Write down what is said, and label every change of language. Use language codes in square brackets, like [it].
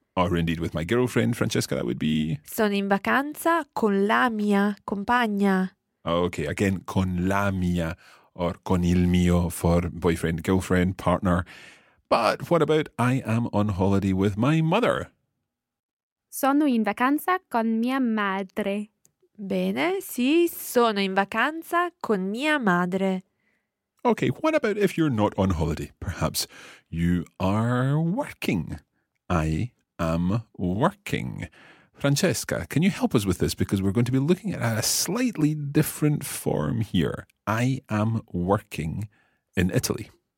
[en] Or indeed with my girlfriend, Francesca, that would be... [it] Sono in vacanza con la mia compagna. [en] Okay, again, [it] con la mia [en] or [it] con il mio [en] for boyfriend, girlfriend, partner. But what about I am on holiday with my mother? [it] Sono in vacanza con mia madre. Bene, sì, sono in vacanza con mia madre. [en] Okay, what about if you're not on holiday? Perhaps you are working. I am working. Francesca, can you help us with this? Because we're going to be looking at a slightly different form here. I am working in Italy.